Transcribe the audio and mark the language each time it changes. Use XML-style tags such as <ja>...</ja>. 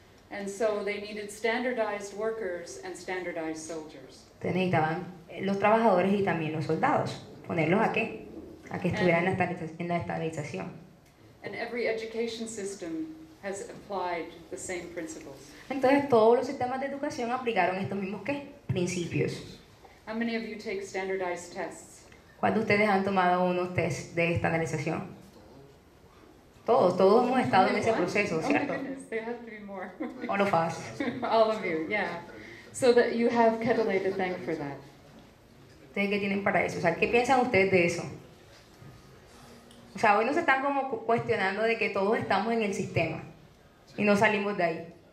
<en>And so they needed standardized workers and standardized soldiers.</en> <es>Necesitaban los trabajadores y también los soldados. ¿Ponerlos a qué? A que estuvieran en la estandarización.</es> <en>And every education system has applied the same principles.</en> <es>Entonces todos los sistemas de educación aplicaron estos mismos ¿qué? Principios.</es> <en>How many of you take standardized tests?</en> <es>¿Cuántos de ustedes han tomado unos tests de estandarización? Todos hemos estado en ese proceso, ¿cierto?</es> <en>Oh my goodness, there has to be more. All of us. All of you, yeah. So that you have Quetelet to thank for that.</en> <es>¿Ustedes qué tienen para eso? O sea, ¿qué piensan ustedes de eso? O sea, hoy nos están como cuestionando de que todos estamos en el sistema y no salimos de ahí.</es>